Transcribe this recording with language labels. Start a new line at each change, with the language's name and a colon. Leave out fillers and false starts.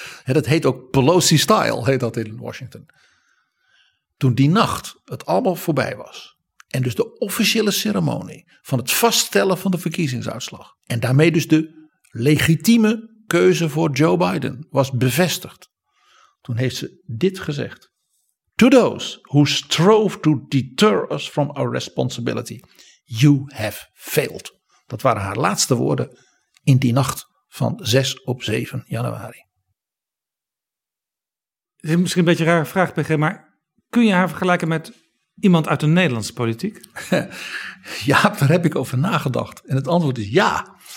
Dutch: Dat heet ook Pelosi style, heet dat in Washington. Toen die nacht het allemaal voorbij was en dus de officiële ceremonie van het vaststellen van de verkiezingsuitslag en daarmee dus de legitieme keuze voor Joe Biden was bevestigd, toen heeft ze dit gezegd.
English: To those who strove to deter us from our responsibility, you have failed.
Dutch: Dat waren haar laatste woorden in die nacht van 6 op 7 januari. Het is misschien een beetje een rare vraag, PG, maar kun je haar vergelijken met iemand uit de Nederlandse politiek? Ja, daar heb ik over nagedacht. En het antwoord is ja.